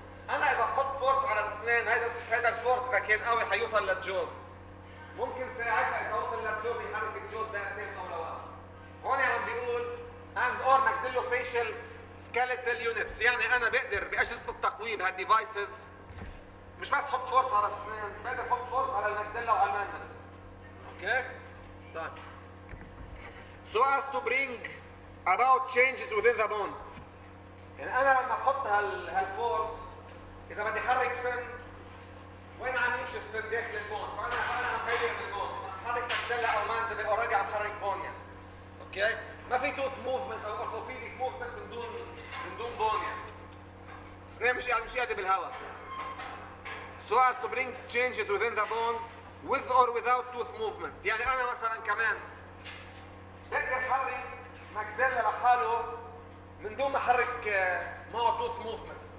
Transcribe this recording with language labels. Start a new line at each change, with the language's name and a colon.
Arabic: انا اذا بحط فورس على السنين، هذا الفورس اذا كان قوي حيوصل للجوز، ممكن ساعتها اذا وصل للجوز يحرك الجوز لاثنين او لواحد. هون عم بيقول
English: and or maxillofacial skeletal units,
Arabic: يعني انا بقدر باجهزه التقويم هالديفايسز مش بس احط فورس على السنين، بقدر احط فورس على الماكسيلا وعلى الماندل. اوكي؟ طيب.
English: So as to bring about changes within the bone.
Arabic: يعني انا لما احط هالفورس اذا بدي احرك سن، وين عم يمشي السن؟ داخل البون، فانا عم غير البون، حرك ماكسيلا او ماندل اوريدي عم حرك بون يعني. اوكي؟ ما في توث موفمنت او اورثوبيديك موفمنت من دون بون يعني. سنين مش قاعده بالهواء.
English: So as to bring changes within the bone with or without tooth movement.
Arabic: يعني انا مثلا كمان بقدر احرك ماكسيلا لحاله من دون ما احرك معه tooth movement.